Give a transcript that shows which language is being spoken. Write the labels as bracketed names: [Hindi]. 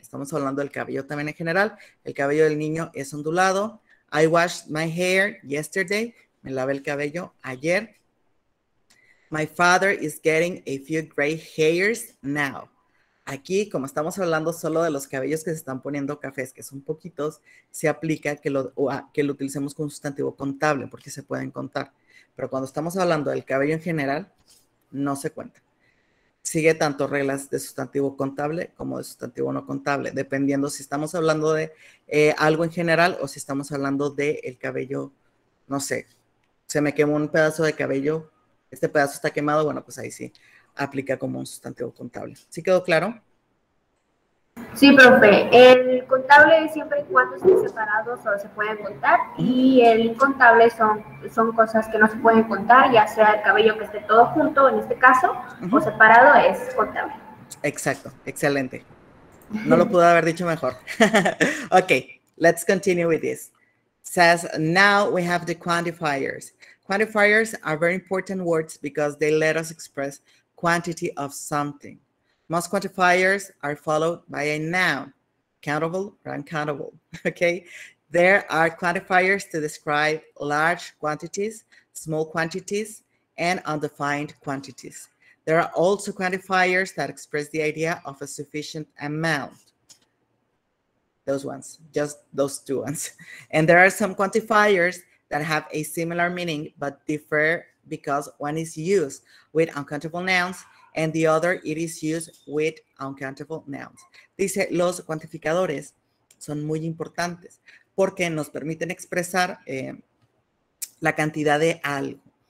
[Spanish] Estamos hablando del cabello también en general. El cabello del niño es ondulado. [English] I washed my hair yesterday. [Spanish] Me lavé el cabello ayer. [English] My father is getting a few gray hairs now. [Spanish] Aquí, como estamos hablando solo de los cabellos que se están poniendo cafés, que son poquitos, se aplica que lo utilicemos con sustantivo contable, porque se pueden contar. Pero cuando estamos hablando del cabello en general, no se cuenta. Sigue tanto reglas de sustantivo contable como de sustantivo no contable, dependiendo si estamos hablando de algo en general o si estamos hablando del cabello, no sé, se me quemó un pedazo de cabello, este pedazo está quemado, bueno, pues ahí sí. Aplica como un sustantivo contable. ¿Sí quedó claro? Sí, profe. El contable es siempre y cuando estén separados o se pueden contar. Y el incontable son cosas que no se pueden contar, ya sea el cabello que esté todo junto, en este caso, uh-huh. O separado, es contable. Exacto. Excelente. No lo pude haber dicho mejor. [English] Ok. Let's continue with this. Says, now we have the quantifiers. Quantifiers are very important words because they let us express quantity of something. Most quantifiers are followed by a noun, countable or uncountable. Okay. There are quantifiers to describe large quantities, small quantities, and undefined quantities. There are also quantifiers that express the idea of a sufficient amount. Those ones, just those two ones. And there are some quantifiers that have a similar meaning but differ. Because one is used with uncountable nouns and the other it is used with uncountable nouns. [Spanish] Dice, los cuantificadores son muy importantes porque nos permiten expresar la cantidad de algo.